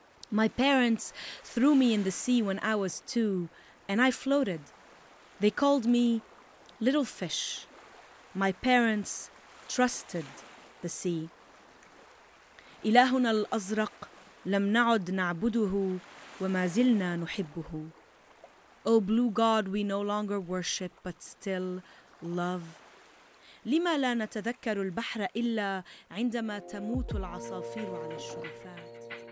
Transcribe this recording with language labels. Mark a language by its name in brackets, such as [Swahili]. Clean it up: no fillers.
[English] My parents threw me in the sea when I was two, and I floated. They called me Little Fish. My parents trusted the sea. [Arabic] إلهنا الأزرق لم نعد نعبده وما زلنا نحبه. [English] O blue God, we no longer worship, but still love. [Arabic] لما لا نتذكر البحر إلا عندما تموت العصافير على الشرفات.